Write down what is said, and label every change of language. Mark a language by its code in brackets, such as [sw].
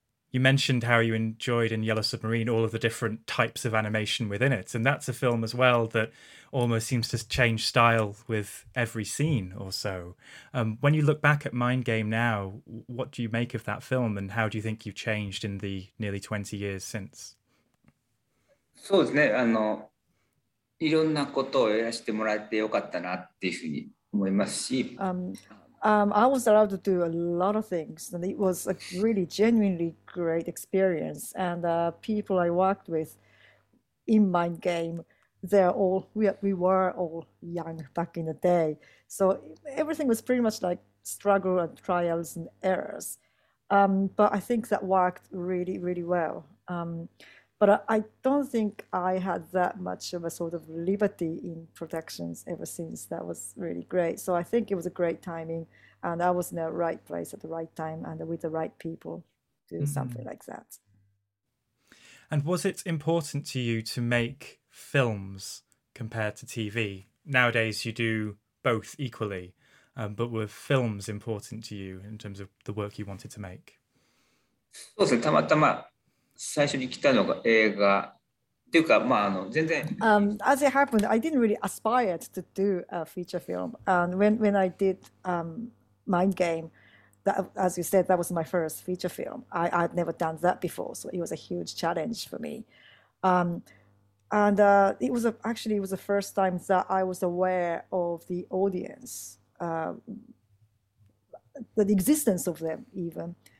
[en] You mentioned how you enjoyed in Yellow Submarine all of the different types of animation within it. And that's a film as well that almost seems to change style with every scene or so. When you look back at Mind Game now, what do you make of that film and how do you think you've changed in the nearly 20 years since? [ja] そうですね。いろんなことをやらせてもらえてよかったなっていうふうに思いますし。 [en] I was allowed to do a lot of things, and it was a really genuinely great experience. And people I worked with in Mind Game, we were all young back in the day. So everything was pretty much like struggle and trials and errors. But I think that worked really, really well. But I don't think I had that much of a sort of liberty in productions ever since. That was really great. So I think it was a great timing, and I was in the right place at the right time and with the right people to do something like that. And was it important to you to make films compared to TV? Nowadays you do both equally, but were films important to you in terms of the work you wanted to make? [ja] そうですね、たまたま。最初に来たのが映画っていうか、まあ、全然。 [en] As it happened, I didn't really aspire to do a feature film. And when I did Mind Game, that, as you said, that was my first feature film. I'd never done that before, so it was a huge challenge for me. It was the first time that I was aware of the audience, the existence of them even.